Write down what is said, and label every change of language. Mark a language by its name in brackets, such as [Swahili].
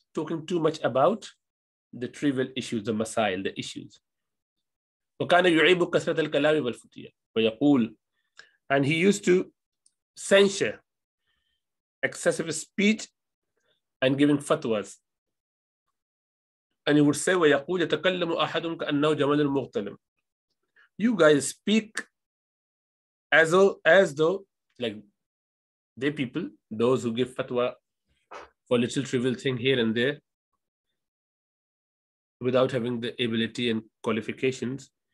[English] Talking too much about the trivial issues, the masail, the issues. [Arabic] وَكَانَ يُعِيبُ كَسْرَةَ الْكَلَامِ وَالْفُتِيَةِ وَيَقُولُ. [English] And he used to censure excessive speech and giving fatwas. And he would say, [Arabic] وَيَقُولُ يَتَكَلَّمُ أَحَدٌ كَأَنَّهُ جَمَلُ الْمُغْتَلِمِ. [English] You guys speak as though, like they people, those who give fatwa for little trivial thing here and there, without having the ability and qualifications.